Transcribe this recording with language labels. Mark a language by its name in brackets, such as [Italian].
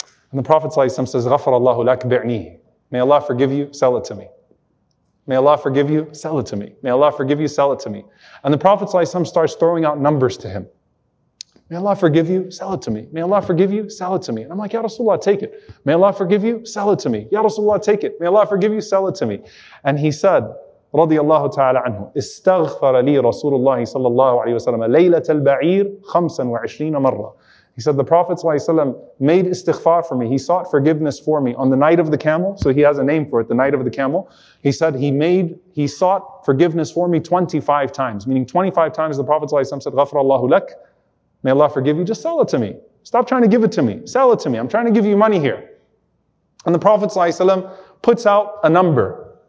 [English] And the Prophet ﷺ says, [Arabic] غَفَرَ اللَّهُ لَكَ بِعْنِيهِ. [English] May Allah forgive you, sell it to me. May Allah forgive you, sell it to me. May Allah forgive you, sell it to me. And the Prophet ﷺ starts throwing out numbers to him. May Allah forgive you, sell it to me. May Allah forgive you, sell it to me. And I'm like, Ya Rasulullah, take it. May Allah forgive you, sell it to me. Ya Rasulullah, take it. May Allah forgive you, sell it to me. And he said, [Arabic] رضي الله تعالى عنه استغفر لي رسول الله صلى الله عليه وسلم ليلة البعير 25 مرة. [English] He said the Prophet صلى الله عليه وسلم made istighfar for me. He sought forgiveness for me on the night of the camel. So he has a name for it, the night of the camel. He said he sought forgiveness for me 25 times. Meaning 25 times the Prophet صلى الله عليه وسلم said [Arabic] غفر الله لك. [English] May Allah forgive you. Just sell it to me. Stop trying to give it to me. Sell it to me. I'm trying to give you money here. And the Prophet صلى الله عليه وسلم puts out a number.